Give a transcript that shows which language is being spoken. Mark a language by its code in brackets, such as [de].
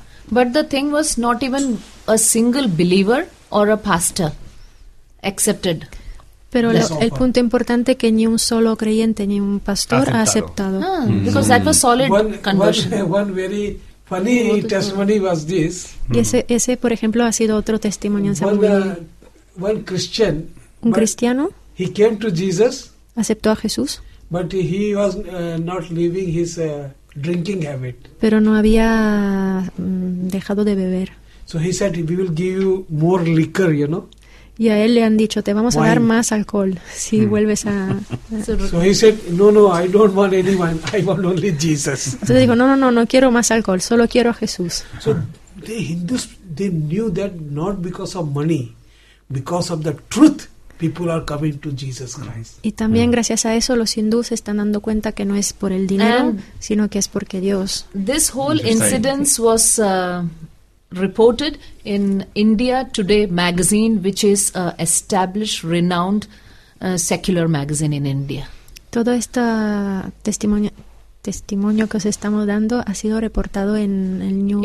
[en] But the thing was not even a single believer or a pastor accepted. [es] Pero el punto importante que ni un solo creyente ni un pastor ha aceptado. [en] Because that was solid conversion. One very funny testimony was this. [es] Y ese por ejemplo ha sido otro testimonio. Un cristiano. [en] He came to Jesus. [es] Aceptó a Jesús. [en] But he was not leaving his drinking habit. [es] Pero no había dejado de beber. [en] So he said, "We will give you more liquor, you know." [es] Y a él le han dicho, "Te vamos wine. A dar más alcohol si vuelves a." [en] So he said, "No, I don't want any wine. I want only Jesus." [es] Entonces dijo, "No quiero más alcohol. Solo quiero a Jesús." [en] So the Hindus they knew that not because of money, because of the truth. People are coming to Jesus Christ. [es] Y también gracias a eso los hindús están dando cuenta que no es por el dinero, sino que es porque Dios. [en] This whole incident was reported in India Today magazine, which is an established, renowned secular magazine in India. [es] Todo este testimonio que os estamos dando ha sido reportado en el New